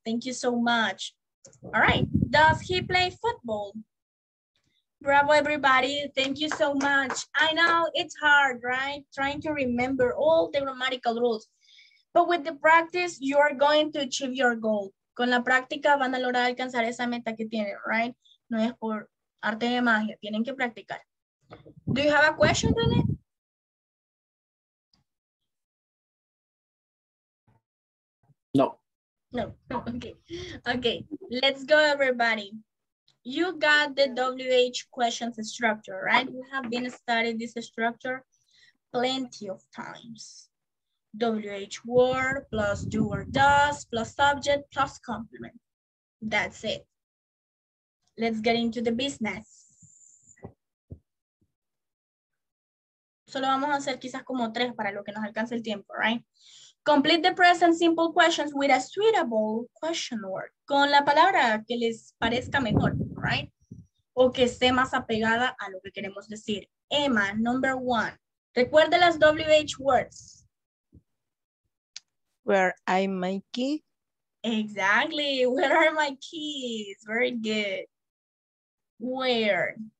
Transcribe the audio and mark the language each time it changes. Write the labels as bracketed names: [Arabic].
[English] Thank you so much. All right, does he play football? Bravo, everybody, thank you so much. I know it's hard, right? Trying to remember all the grammatical rules. But with the practice, you are going to achieve your goal. [Spanish] Con la práctica van a lograr alcanzar esa meta que tienen, right? No es por arte de magia, tienen que practicar. [English] Do you have a question, René? No, okay. Let's go, everybody. You got the WH questions structure, right? We have been studying this structure plenty of times. WH word plus do or does plus subject plus complement. That's it. Let's get into the business. [Spanish] Solo vamos a hacer quizás como tres para lo que nos alcance el tiempo, right? [English] Complete the present simple questions with a suitable question word. [Spanish] Con la palabra que les parezca mejor, right? O que esté más apegada a lo que queremos decir. [English] Emma, number one. Recuerde las WH words. Where are my keys? Exactly. Where are my keys? Very good. Where?